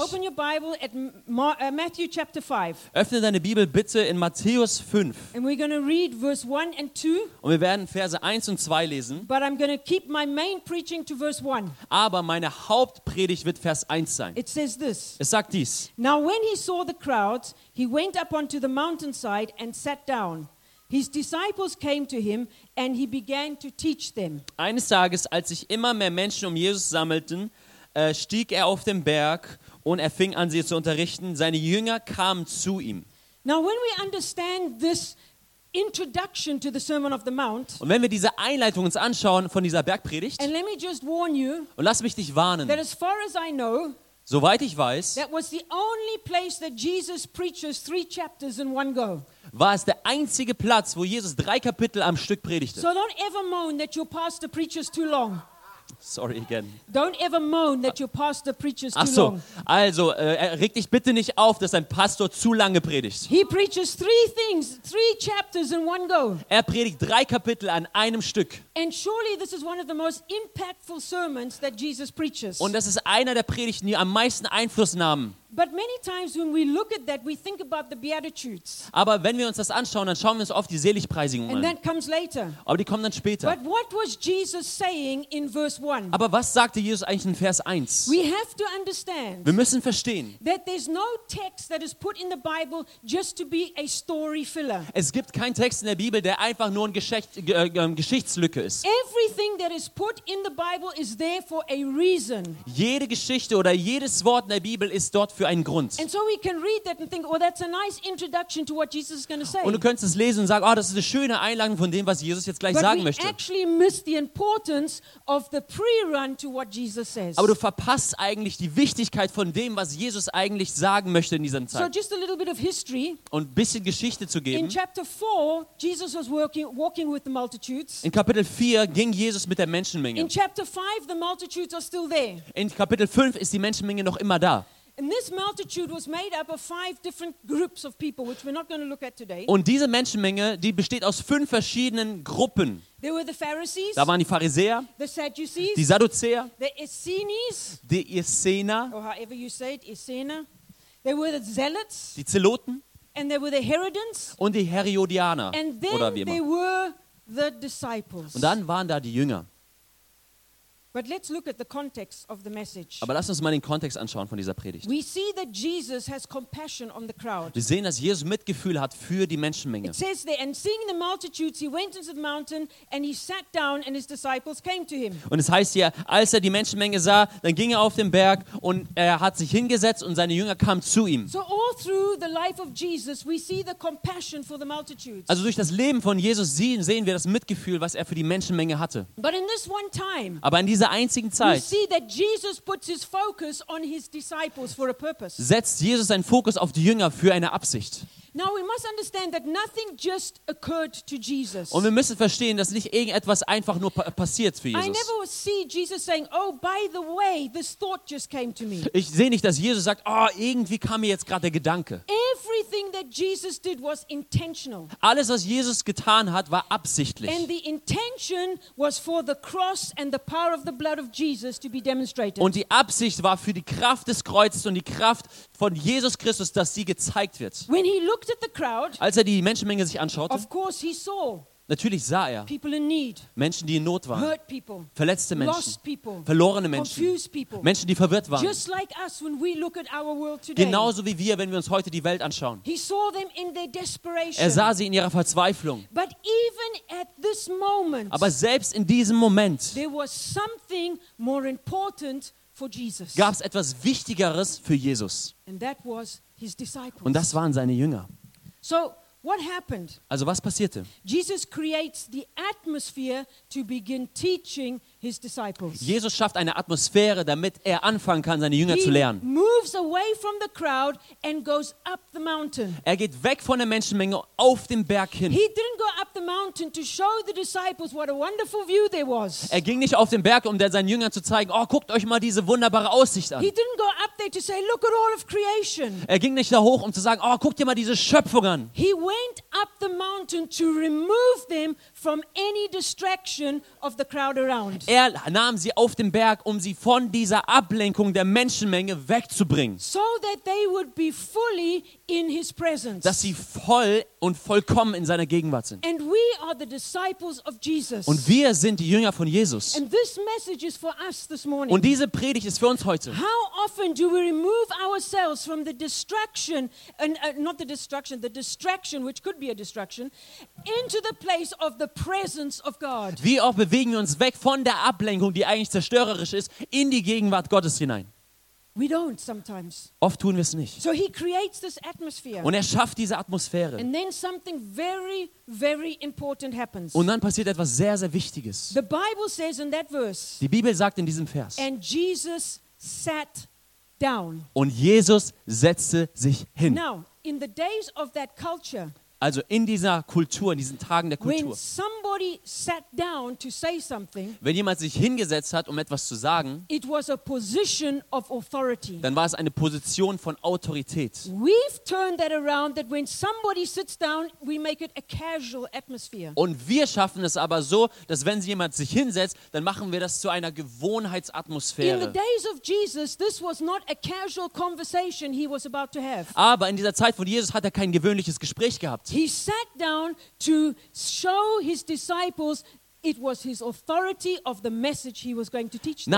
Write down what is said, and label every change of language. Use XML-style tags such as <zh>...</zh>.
<en>Open your Bible at Matthew chapter 5.</en> <de>Öffne deine Bibel bitte in Matthäus 5.</de> <en>And we're going to read verse 1 and 2.</en> <de>Und wir werden Verse 1 und 2 lesen.</de> <en>But I'm going to keep my main preaching to verse 1.</en> <de>Aber meine Hauptpredigt wird Vers 1 sein.</de> <en>It says this.</en> <de>Es sagt dies.</de> <en>Now when he saw the crowds, he went up onto the mountainside and sat down. His disciples came to him and he began to teach them.</en> <de>Eines Tages, als sich immer mehr Menschen um Jesus sammelten, stieg er auf den Berg und er fing an, sie zu unterrichten. Seine Jünger kamen zu ihm.</de> <en>Now when we understand this introduction to the Sermon of the Mount.</en> <de>Und wenn wir diese Einleitung uns anschauen von dieser Bergpredigt.</de> <en>And let me just warn you.</en> <de>Und lass mich dich warnen.</de> <en>That as far as I know,</en> <de>soweit ich weiß,</de> <en>that was the only place that Jesus preaches three chapters in one go.</en> <de>War es der einzige Platz, wo Jesus drei Kapitel am Stück predigte.</de> <en>So don't ever moan that your pastor preaches too long. Sorry again. Don't ever moan that your pastor preaches too long.</en> <de>Ach so. Also, reg dich bitte nicht auf, dass dein Pastor zu lange predigt.</de> <en>He preaches three things, three chapters in one go.</en> <de>Er predigt drei Kapitel an einem Stück.</de> <en>And surely this is one of the most impactful sermons that Jesus preaches.</en> <de>Und das ist einer der Predigten, die am meisten Einfluss nahmen.</de> <en>But many times when we look at that, we think about the Beatitudes.</en> <de>Aber wenn wir uns das anschauen, dann schauen wir uns oft die Seligpreisungen an.</de> <en>And that comes later.</en> <de>Aber die kommen dann später.</de> <en>But what was Jesus saying in verse 1?</en> <de>Aber was sagte Jesus eigentlich in Vers 1?</de> <en>We have to understand.</en> <de>Wir müssen verstehen.</de> <en>That there's no text that is put in the Bible just to be a story filler.</en> <de>Es gibt keinen Text in der Bibel, der einfach nur eine Geschichtslücke ist.</de> <en>Everything that is put in the Bible is there for a reason.</en> <de>Jede Geschichte oder jedes Wort in der Bibel ist dort für einen Grund.</de> <en>And so we can read that and think, oh, that's a nice introduction to what Jesus is going to say.</en> <de>Und du könntest es lesen und sagen, oh, das ist eine schöne Einleitung von dem, was Jesus jetzt gleich</de> <en>But</en> <de>sagen</de> <en>we</en> <de>möchte.</de> <en>Actually miss the importance of the pre-run to what Jesus says.</en> <de>Aber du verpasst eigentlich die Wichtigkeit von dem, was Jesus eigentlich sagen möchte in dieser Zeit.</de> <en>So just a little bit of history.</en> <de>Und ein bisschen Geschichte zu geben.</de> <en>In chapter 4, Jesus was walking with the multitudes.</en> <de>In Kapitel 4 ging Jesus mit der Menschenmenge.</de> <en>In chapter 5, the multitudes are still there.</en> <de>In Kapitel 5 ist die Menschenmenge noch immer da.</de> <en>And this multitude was made up of five different groups of people, which we're not going to look at today.</en> <de>Und diese Menschenmenge, die besteht aus fünf verschiedenen Gruppen.</de> <en>There were the Pharisees.</en> <de>Da waren die Pharisäer.</de> <en>The Sadducees.</en> <de>Die Sadduzäer.</de> <en>The Essenes.</en> <de>Die Essener.</de> <en>Or however you say it, Essener. There were the Zealots.</en> <de>Die Zeloten.</de> <en>And there were the Herodians.</en> <de>Und die Herodianer.</de> <en>And then</en> <de>oder wie immer.</de> <en>There were the disciples.</en> <de>Und dann waren da die Jünger.</de> <en>But let's look at the context of the message.</en> <de>Aber lass uns mal den Kontext anschauen von dieser Predigt.</de> <en>We see that Jesus has compassion on the crowd.</en> <de>Wir sehen, dass Jesus Mitgefühl hat für die Menschenmenge.</de> <en>It says there, and seeing the multitudes, he went into the mountain and he sat down and his disciples came to him.</en> <de>Und es heißt hier, als er die Menschenmenge sah, dann ging er auf den Berg und er hat sich hingesetzt und seine Jünger kamen zu ihm.</de> <en>So all through the life of Jesus, we see the compassion for the multitudes.</en> <de>Also durch das Leben von Jesus sehen wir das Mitgefühl, was er für die Menschenmenge hatte.</de> <en>But in this one time.</en> <de>Aber in dieser einzigen Zeit.</de> <en>You see that Jesus puts his focus on his disciples for a purpose.</en> <de>Setzt Jesus seinen Fokus auf die Jünger für eine Absicht.</de> <en>Now we must understand that nothing just occurred to Jesus.</en> <de>Und wir müssen verstehen, dass nicht irgendetwas einfach nur passiert für Jesus.</de> <en>I never see Jesus saying, "Oh, by the way, this thought just came to me."</en> <de>Ich sehe nicht, dass Jesus sagt, "Oh, irgendwie kam mir jetzt gerade der Gedanke."</de> <en>Everything that Jesus did was intentional.</en> <de>Alles, was Jesus getan hat, war absichtlich.</de> <en>And the intention was for the cross and the power of the blood of Jesus to be demonstrated.</en> <de>Und die Absicht war für die Kraft des Kreuzes und die Kraft von Jesus Christus, dass sie gezeigt wird.</de> <en>When he looked at the crowd,</en> <de>als er die Menschenmenge sich anschaute,</de> <en>of course he saw.</en> <de>Natürlich sah er</de> <en>people in need,</en> <de>Menschen, die in Not waren,</de> <en>hurt people,</en> <de>verletzte Menschen,</de> <en>lost people,</en> <de>verlorene Menschen,</de> <en>confused people,</en> <de>Menschen, die verwirrt waren.</de> <en>Just like us when we look at our world today.</en> <de>Genauso wie wir, wenn wir uns heute die Welt anschauen.</de> <en>He saw them in their desperation.</en> <de>Er sah sie in ihrer Verzweiflung.</de> <en>But even at this moment,</en> <de>aber selbst in diesem Moment</de> <en>there was something more important for Jesus.</en> <de>Gab es etwas Wichtigeres für Jesus.</de> <en>And that was his disciples.</en> <de>Und das waren seine Jünger.</de> <en>So, what happened?</en> <de>Also was passierte?</de> <en>Jesus creates the atmosphere to begin teaching his disciples.</en> <de>Jesus schafft eine Atmosphäre, damit er anfangen kann, seine Jünger</de> <en>he</en> <de>zu lernen.</de> <en>Moves away from the crowd and goes up the mountain.</en> <de>Er geht weg von der Menschenmenge auf den Berg hin.</de> <en>He didn't go up up the mountain to show the disciples what a wonderful view there was.</en> <de>Er ging nicht auf den Berg, um seinen Jüngern zu zeigen, oh, guckt euch mal diese wunderbare Aussicht an.</de> <en>He didn't go up there to say, look at all of creation.</en> <de>Er ging nicht da hoch, um zu sagen, oh, guckt ihr mal diese Schöpfung an.</de> <en>He went up the mountain to remove them from any distraction of the crowd around.</en> <de>Er nahm sie auf den Berg, um sie von dieser Ablenkung der Menschenmenge wegzubringen.</de> <en>So that they would be fully in his presence.</en> <de>Dass sie voll und vollkommen in seiner Gegenwart sind.</de> <en>And we are the disciples of Jesus.</en> <de>Und wir sind die Jünger von Jesus.</de> <en>And this message is for us this morning.</en> <de>Und diese Predigt ist für uns heute.</de> <en>How often do we remove ourselves from the distraction and not the destruction, the distraction which could be a distraction into the place of the presence of God?</en> <de>Wie oft bewegen wir uns weg von der Ablenkung, die eigentlich zerstörerisch ist, in die Gegenwart Gottes hinein?</de> <en>We don't sometimes.</en> <de>Oft tun wir es nicht.</de> <en>So he creates this atmosphere.</en> <de>Und er schafft diese Atmosphäre.</de> <en>And then something very, very important happens.</en> <de>Und dann passiert etwas sehr, sehr Wichtiges.</de> <en>The Bible says in that verse.</en> <de>Die Bibel sagt in diesem Vers.</de> <en>And Jesus sat down.</en> <de>Und Jesus setzte sich hin.</de> <en>Now, in the days of that culture.</en> <de>Also in dieser Kultur, in diesen Tagen der Kultur.</de> <en>When somebody sat down to say something,</en> <de>wenn jemand sich hingesetzt hat, um etwas zu sagen,</de> <en>it was a position of authority.</en> <de>Dann war es eine Position von Autorität.</de> <en>We've turned that around, that when somebody sits down, we make it a casual atmosphere.</en> <de>Und wir schaffen es aber so, dass wenn jemand sich hinsetzt, dann machen wir das zu einer Gewohnheitsatmosphäre.</de> <en>In the days of Jesus, this was not a casual conversation he was about to have.</en> <de>Aber in dieser Zeit von Jesus hat er kein gewöhnliches Gespräch gehabt.</de> <en>He sat down to show his disciples it was his authority of the message he was going to teach them.</en>